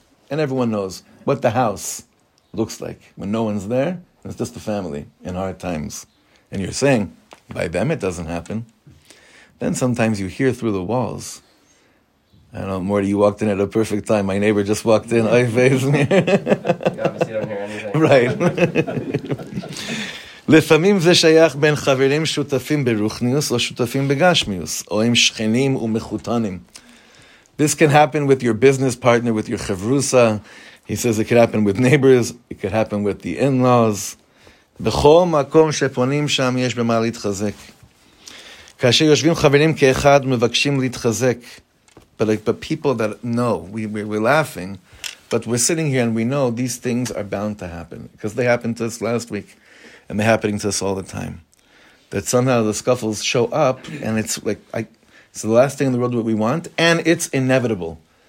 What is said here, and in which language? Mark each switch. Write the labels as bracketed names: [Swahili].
[English] And everyone knows what the house looks like when no one's there. It's just the family in hard times. And you're saying, by them it doesn't happen. Then sometimes you hear through the walls. I don't know, Morty, you walked in at a perfect time. My neighbor just walked in. You obviously don't hear anything. Right. [Hebrew] לפעמים זה שייך בין חברים שותפים ברוחניוס או שותפים בגשמיוס, או עם שכנים ומחותנים. [English] This can happen with your business partner, with your chavrusa. He says it could happen with neighbors. It could happen with the in-laws. [Hebrew] בכל מקום שפונים שם יש במה להתחזק. כאשר יושבים חברים כאחד מבקשים להתחזק. [English] But people that know, we're laughing, but we're sitting here and we know these things are bound to happen. Because they happened to us last week, and they're happening to us all the time. That somehow the scuffles show up, and it's like, it's the last thing in the world that we want, and it's inevitable.